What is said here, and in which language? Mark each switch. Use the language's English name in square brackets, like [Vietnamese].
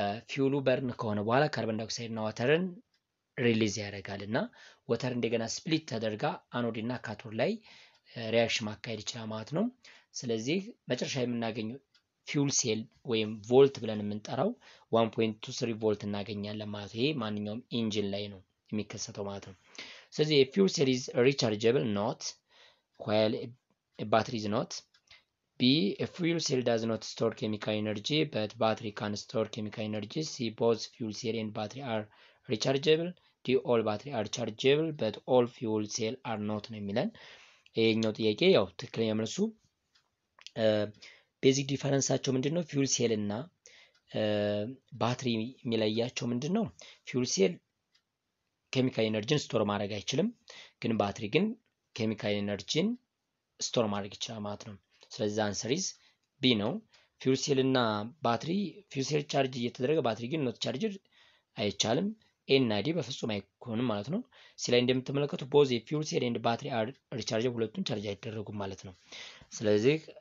[Amharic] ፊውሉ በርን ከሆነ በኋላ ካርቦን ዳይኦክሳይድ እና ዋተርን ሪሊዝ ያደርጋል እና ወተር እንደገና ስፕሊት ተደርጋ አኖድ እና ካቶድ ላይ ሪአክሽን ማካሄድ ይችላል ማለት ነው። ስለዚህ መጨረሻ የምናገኘው ፊውል ሴል ወይም ቮልት ብለን የምንጠራው 1.23 ቮልት እናገኛለን ማለት ነው። ይሄ ማንኛውም ኢንጂን ላይ ነው የሚከሰተው ማለት ነው። ስለዚህ የፊውል [English] ሴል ኢዝ ሪቻርጀብል ኖት ዋይል ባትሪ ኢዝ ኖት [Amharic] B. [English] A fuel cell does not store chemical energy, but battery can store chemical energy. C. Both fuel cell and battery are rechargeable. D. All batteries are chargeable, but all fuel cells are not. [Amharic] ይህኛው ጥያቄ ያው ትክክለኛ መልሱ ቤዚክ ዲፈረንሳቸው ምንድን ነው? ፊውል ሴል እና ባትሪ የሚለያቸው ምንድን ነው? ፊውል ሴል ኬሚካል ኤነርጂን ስቶር ማድረግ አይችልም፣ ግን ባትሪ ግን ኬሚካል ኤነርጂን ስቶር ማድረግ ይችላል ማለት ነው። ስለዚህ አንሰር ኢዝ ቢ ነው። ፊውል ሴል እና ባትሪ ፊውል ሴል ቻርጅ እየተደረገ ባትሪ ግን ኖት ቻርጅ አይቻልም። ኤ እና ዲ በፍጹም አይኮንም ማለት ነው። ሲ ላይ እንደምትመለከቱ [English] ቦዝ የፊውል ሴል ኤንድ ባትሪ አር ሪቻርጅ [Amharic] ሁለቱም ቻርጅ አይደረጉም ማለት ነው። ስለዚህ